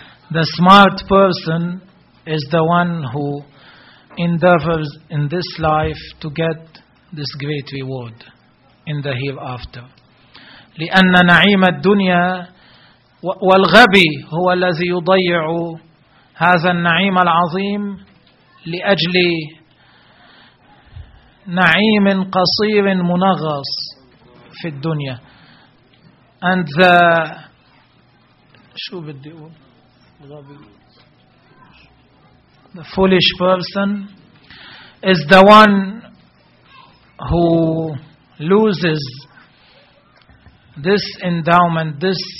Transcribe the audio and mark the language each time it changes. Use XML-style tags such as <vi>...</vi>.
<en>The smart person is the one who endeavors in this life to get this great reward in the hereafter.</en> <ar>لأن نعيم الدنيا والغبي هو الذي يضيع هذا النعيم العظيم لأجل نعيم قصير منغص في الدنيا.</ar> <en>And the</en> <ar>شو بدي أقول,</ar> <en>the foolish person is the one who loses this endowment, this</en>